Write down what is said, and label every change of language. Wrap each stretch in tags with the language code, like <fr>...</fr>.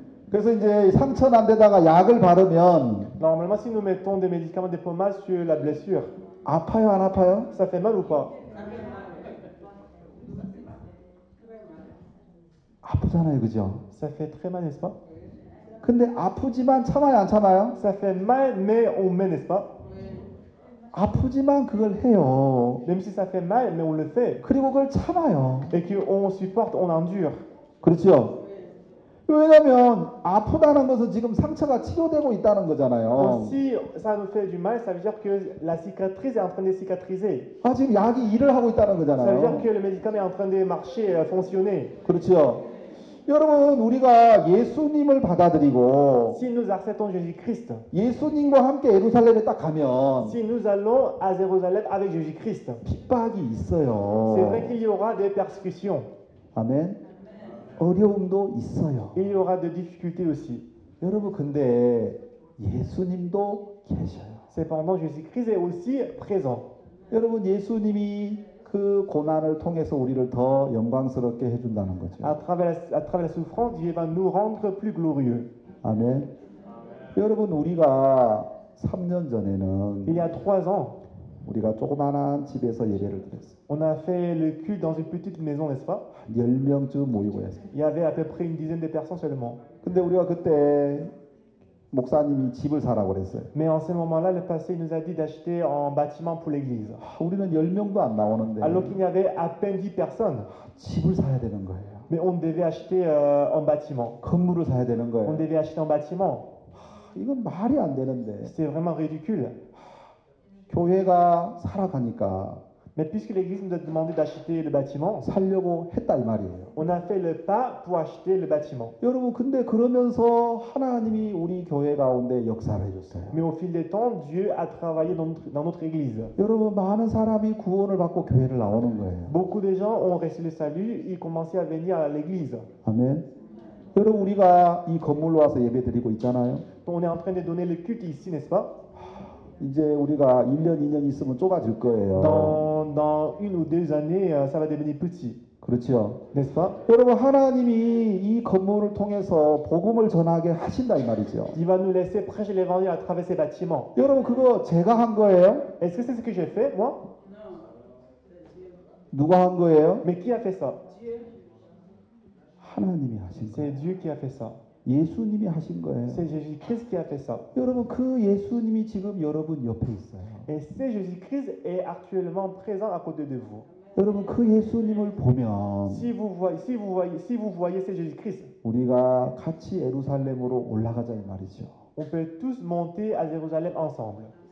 <ko>그래서 이제 상처 난 데다가 약을 바르면</ko> <fr>normalement si nous mettons des médicaments des pommades sur la blessure.</fr> <ko>아파요 안 아파요?</ko> <fr>Ça fait mal ou pas?</fr> <ko>아프잖아요, 그죠?</ko> <fr>Ça fait très mal, n'est-ce pas?</fr> <ko>근데 아프지만 참아요 안 참아요?</ko> <fr>Ça fait mal mais on met, n'est-ce pas?</fr> <ko>아프지만 그걸 해요.</ko> <fr>Même si ça fait mal mais on le fait.</fr> <ko>그리고 그걸 참아요.</ko> <fr>Et qu'on supporte, on endure.</fr> <ko>그렇죠? 왜냐면 아프다는 것은 지금 상처가 치료되고 있다는 거잖아요.</ko> <fr>Si ça nous fait du mal, ça veut dire que la cicatrice est en train de cicatriser.</fr> <ko>아, 지금 약이 일을 하고 있다는 거잖아요.</ko> <fr>Ça veut dire que le médicament est en train de marcher, fonctionner.</fr> <ko>그렇죠? 여러분 우리가 예수님을 받아들이고</ko> <fr>si nous acceptons Jésus-Christ,</fr> <ko>예수님과 함께 예루살렘에 딱 가면</ko> <fr>si nous allons à Jérusalem avec Jésus-Christ,</fr> <ko>핍박이 있어요.</ko> <fr>C'est vrai qu'il y aura des persécutions.</fr> <ko>아멘. 어려움도 있어요.</ko> <fr>Il y aura des difficultés aussi.</fr> <ko>여러분 근데 예수님도 계셔요.</ko> <fr>Cependant Jésus-Christ est aussi présent.</fr> <ko>여러분 예수님이 그 고난을 통해서 우리를 더 영광스럽게 해준다는 거죠.</ko> <fr>À travers la souffrance, Dieu va nous rendre plus glorieux.</fr> <ko>아멘. 여러분 우리가 3년 전에는</ko> <fr>il y a 3 ans</fr> <ko>우리가 조그만한 집에서 예배를 드렸어요.</ko> <fr>On a fait le culte dans une petite maison, n'est-ce pas?</fr> <ko>10명쯤 모이고 했어요.</ko> <fr>Il y avait à peu près une dizaine de personnes seulement.</fr> <ko>근데 우리가 그때 목사님이 집을 사라고 그랬어요.</ko> <fr>Mais en ce moment-là, le pasteur nous a dit d'acheter un bâtiment pour l'église.</fr> <ko>우리는 열 명도 안 나오는데.</ko> <fr>Alors qu'il y avait à peine 10 personnes.</fr> <ko>집을 사야 되는 거예요.</ko> <fr>Mais on devait acheter un bâtiment.</fr> <ko>건물을 사야 되는 거예요.</ko> <fr>On devait acheter un bâtiment.</fr> <ko>이건 말이 안 되는데.</ko> <fr>C'est vraiment ridicule.</fr> <ko>교회가 살아가니까.</ko> <fr>Mais puisque l'église nous a demandé d'acheter le bâtiment,</fr> <ko>살려고 했다 이 말이에요.</ko> <fr>On a fait le pas pour acheter le bâtiment.</fr> <ko>여러분, 근데 그러면서 하나님이 우리 교회 가운데 역사를 해줬어요.</ko> <fr>Mais au fil des temps, Dieu a travaillé dans notre église.</fr> <ko>여러분, 많은 사람이 구원을 받고 교회를 나오는 거예요.</ko> <fr>Beaucoup de gens ont reçu le salut et commencé à venir à l'église.</fr> <ko>아멘. 여러분, 우리가 이 건물로 와서 예배 드리고 있잖아요.</ko> <fr>Donc, on est en train de donner le culte ici, n'est-ce pas?</fr> <ko>이제 우리가 1년, 2년 있으면 좁아질 거예요.</ko> <fr>Dans une ou deux années, ça va devenir petit.</fr> <ko>그렇죠.</ko> <fr>N'est-ce pas?</fr> <ko>여러분, 하나님이 이 건물을 통해서 복음을 전하게 하신다 이 말이죠.</ko> <fr>Il va nous laisser prêcher l'évangile à travers ces bâtiments.</fr> <ko>여러분, 그거 제가 한 거예요?</ko> <fr>Est-ce que c'est ce que j'ai fait, moi? Non.</fr> <ko>누가 한 거예요?</ko> <fr>Mais qui a fait ça? Dieu.</fr> <ko>하나님이 하신 거예요.</ko> <fr>C'est Dieu qui a fait ça.</fr> <ko>예수님이 하신 거예요.</ko> <fr>C'est Jésus-Christ qui a fait ça.</fr> <ko>여러분, 그 예수님이 지금 여러분 옆에 있어요.</ko> <fr>Et c'est Jésus-Christ est actuellement présent à côté de vous.</fr> <ko>여러분, 그 예수님을 보면</ko> <fr>si vous voyez c'est Jésus-Christ.</fr> <ko>우리가 같이 예루살렘으로 올라가자 이 말이죠.</ko> <fr>On peut tous monter à Jérusalem ensemble.</fr>